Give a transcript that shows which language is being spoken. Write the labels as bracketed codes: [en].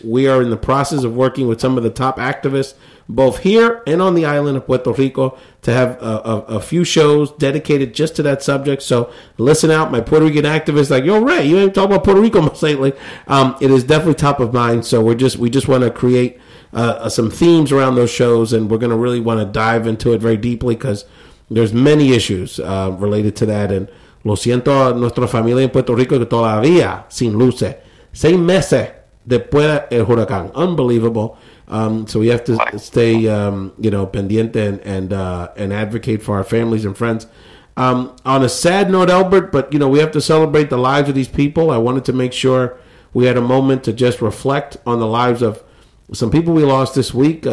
[en] We are in the process of working with some of the top activists, both here and on the island of Puerto Rico, to have a few shows dedicated just to that subject. So listen out, my Puerto Rican activists, like, yo, Ray, you ain't talking about Puerto Rico much lately. It is definitely top of mind. So we just want to create some themes around those shows, and we're going to really want to dive into it very deeply because there's many issues related to that. [es] And lo siento a nuestra familia en Puerto Rico que todavía sin luces. 6 meses después del huracán. [en] Unbelievable. So we have to stay, pendiente and advocate for our families and friends. On a sad note, Elbert, but, you know, we have to celebrate the lives of these people. I wanted to make sure we had a moment to just reflect on the lives of some people we lost this week.